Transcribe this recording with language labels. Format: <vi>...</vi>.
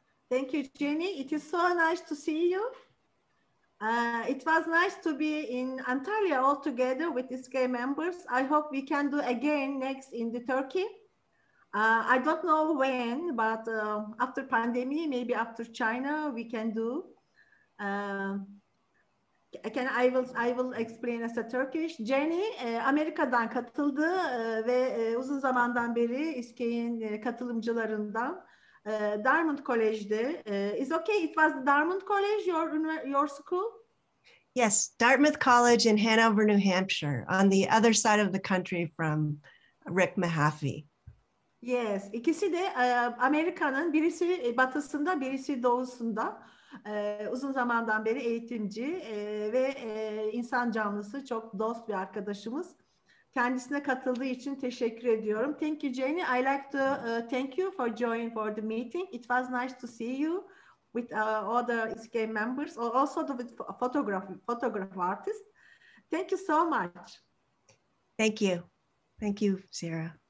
<en>Thank you, Jenny. It is so nice to see you. It was nice to be in Antalya all together with Iske members. I hope we can do again next in the Turkey. I don't know when, but after pandemic, maybe after China, we can do. I will explain as a Turkish.</en> <tr>Jenny Amerika'dan katıldı ve uzun zamandan beri İSKE'in katılımcılarından.</tr> <en>Dartmouth College'de. Is okay? It was Dartmouth College, your school? Yes, Dartmouth College in Hanover, New Hampshire, on the other side of the country from Rick Mahaffey. Yes,</en> <tr>ikisi de Amerika'nın birisi batısında, birisi doğusunda. Uzun zamandan beri eğitimci ve insan canlısı, çok dost bir arkadaşımız. Kendisine katıldığı için teşekkür ediyorum.</tr> <en>Thank you, Jenny. I like to thank you for joining for the meeting. It was nice to see you with all the ISKE members, also the photograph artist. Thank you so much. Thank you. Thank you, Sarah.</en>